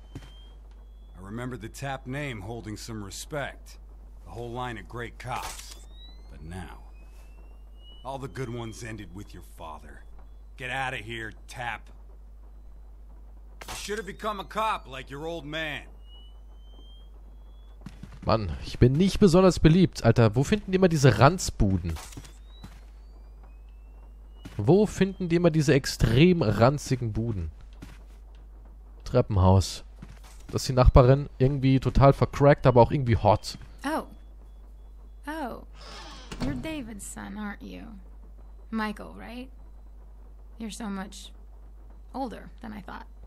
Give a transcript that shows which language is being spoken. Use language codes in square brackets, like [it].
[en] I remember the Tap name holding some respect. A whole line of great cops. But now... All the good ones ended with your father. Get out of here, Tap. You should have become a cop like your old man. [de] Mann, ich bin nicht besonders beliebt, Alter. Wo finden die immer diese Ranzbuden? Wo finden die immer diese extrem ranzigen Buden? Treppenhaus. Das ist die Nachbarin. Irgendwie total vercrackt, aber auch irgendwie hot. Oh. Oh. [en] You're David's son, aren't you? Michael, right? You're so much older than I thought.